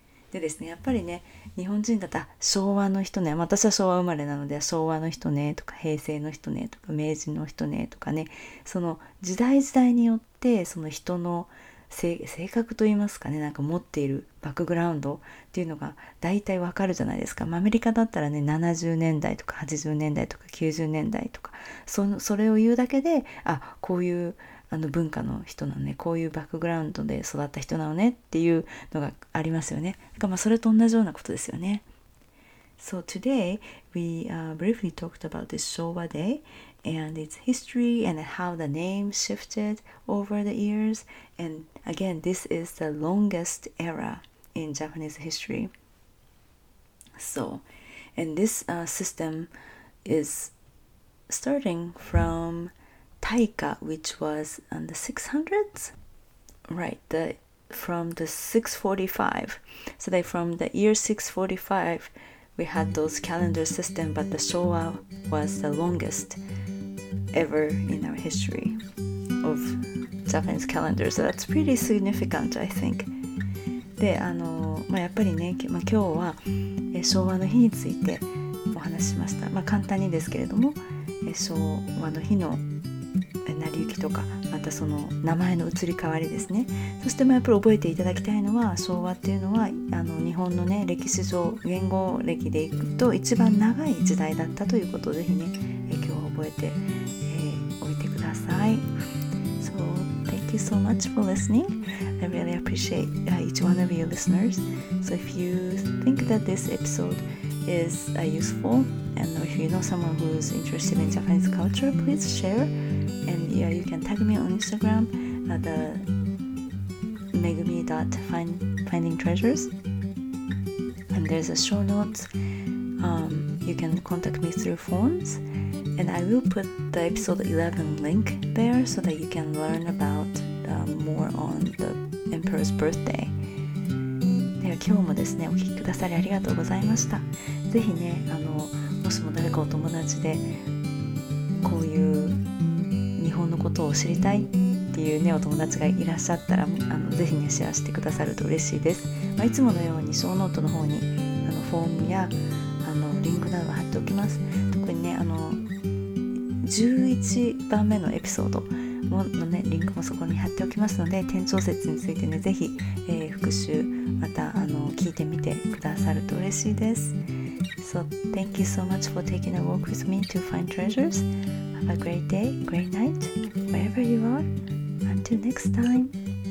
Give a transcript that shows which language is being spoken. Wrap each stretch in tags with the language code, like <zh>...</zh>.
<ja>でですね、やっぱりね、日本人だったら昭和の人ね、まあ、私は昭和生まれなので昭和の人ねとか平成の人ねとか明治の人ねとかね、その時代時代によってその人の性格といいますかね、なんか持っているバックグラウンドっていうのが大体わかるじゃないですか。まあ、アメリカだったらね、70年代とか80年代とか90年代とか、それを言うだけで、あ、こういうあの文化の人なのね、こういうバックグラウンドで育った人なのねっていうのがありますよね。だからまあそれと同じようなことですよね。</ja> <en>So today we briefly talked about this Showa Day and its history and how the name shifted over the years. And again, this is the longest era in Japanese history. So, and this system is starting from Taika, which was in the 600s, right? From the 645. So they from the year 645. We had those calendar system, but the Showa was the longest ever in our history of Japanese calendar. So that's pretty significant, I think.</en> <ja>で、あの、まあ、やっぱりね、まあ、今日は昭和の日についてお話ししました。まあ、簡単にですけれども、昭和の日の成り行きとか、またその名前の移り変わりですね。そしてもやっぱり覚えていただきたいのは、昭和っていうのはあの日本のね歴史上言語歴でいくと一番長い時代だったということをぜひね今日は覚えて、おいてください。</ja> <en>So thank you so much for listening. I really appreciate each one of you listeners. So if you think that this episode is useful. And if you know someone who's interested in Japanese culture, please share. And yeah, you can tag me on Instagram at the megumi.findingtreasures. And there's a show notes. You can contact me through forms. And I will put the episode 11 link there so that you can learn about more on the emperor's birthday.</en> <ja>では今日もですね、お聞きくださりありがとうございました。ぜひね、あの、もしも誰かお友達でこういう日本のことを知りたいっていうねお友達がいらっしゃったら、あの、ぜひねシェアしてくださると嬉しいです。まあ、いつものようにショーノートの方にあのフォームやあのリンクなど貼っておきます。特にね、あの11番目のエピソードのねリンクもそこに貼っておきますので、転調節についてねぜひ、復習またあの聞いてみてくださると嬉しいです。</ja> <en>So thank you so much for taking a walk with me to find treasures. Have a great day, great night, wherever you are. Until next time.</en>